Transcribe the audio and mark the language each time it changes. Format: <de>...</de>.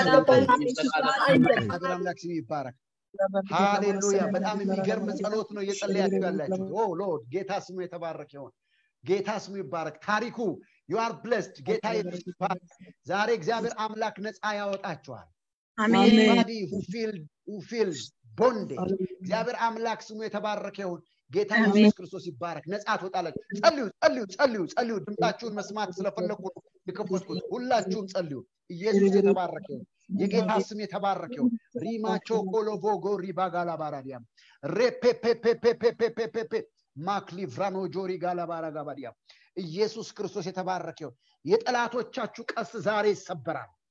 <en>Amen Jesus Christ Hallelujah</en> <am>በጣም የሚገርም ጸሎት ነው እየጸለያችሁ ያላችሁ</am> <en>Oh Lord</en> <am>ጌታ ስሙ የተባረከ ይሁን ጌታ ስሙ ይባረክ ታሪኩ</am> <en>You are blessed</en> <am>ጌታ ይባረክ ዛሬ እግዚአብሔር አምላክ ነፃ ያወጣችኋል</am> <en>Amen. Anybody who feels bonded.</en> <am>እግዚአብሔር አምላክ ስሙ የተባረከ ይሁን ጌታ ኢየሱስ ክርስቶስ ይባረክ ነፃ ትወጣላችሁ ጸልዩ ድምጣችሁን መስማት ስለፈለኩ ልከፈትኩት ሁላችሁም ጸልዩ ኢየሱስ የተባረከ ይሁን የጌታ ስም የተባረከ ይሁን ሪማቾ ኮሎቮ ጎሪ ባጋላ ባራዲያ ሬፔፔፔፔፔፔፔ ማክሊ ፍራኖ ጆሪ ጋላ ባራጋ ባዲያ ኢየሱስ ክርስቶስ የተባረከ ይሁን የጠላቶቻችሁ ቀስ ዛሬ ይሰበራል</am>